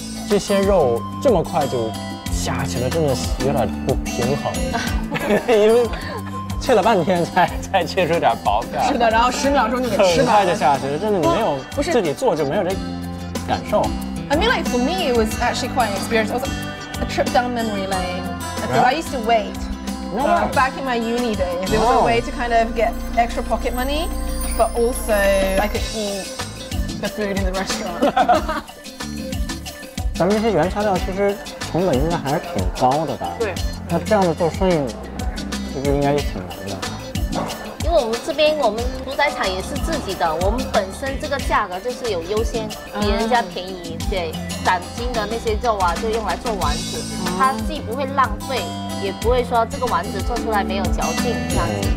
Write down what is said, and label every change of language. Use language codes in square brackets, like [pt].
[zh] 这些肉这么快就下去了，真的有点不平衡，因为切了半天才切出点薄感。是的，然后十秒钟就给吃完了，很快就下去了，真的没有自己做就没有这感受。 [en] I mean, like for me, it was actually quite an experience. It was a trip down memory lane. Because I used to wait back in my uni days. It was a way to kind of get extra pocket money, but also I could eat the food in the restaurant. [zh] 咱们这些原材料其实成本应该还是挺高的吧？对，那这样的做生意其实应该也挺难的。因为我们这边我们屠宰场也是自己的，我们本身这个价格就是有优先，比人家便宜。对，斩斤的那些肉啊，就用来做丸子，它既不会浪费，也不会说这个丸子做出来没有嚼劲这样子。